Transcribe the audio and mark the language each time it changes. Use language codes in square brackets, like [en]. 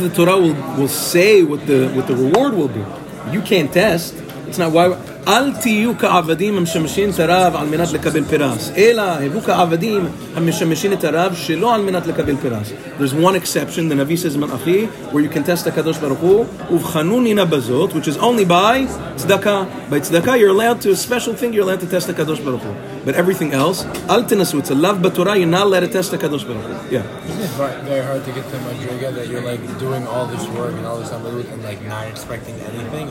[en] the Torah will say what the reward will be. You can't test. It's not why [he] אל תהיו כעבדים המשמשים את הרב על מנת לקבל פרס, אלא הבו כעבדים המשמשים את הרב שלא על מנת לקבל פרס. [en] There's one exception, the Navi says Malachi, where you can test HaKadosh Baruch Hu, [he] ובחנו נינה בזאת, [en] which is only by צדקה. By צדקה, you're allowed to, a special thing, you're allowed to test HaKadosh Baruch Hu. But everything else, אל תנסו, it's a love בתורה, you're not allowed to test HaKadosh Baruch Hu. Yeah. Isn't it very hard to get to Madriga that you're like doing all this work and all this amalut and like not expecting anything?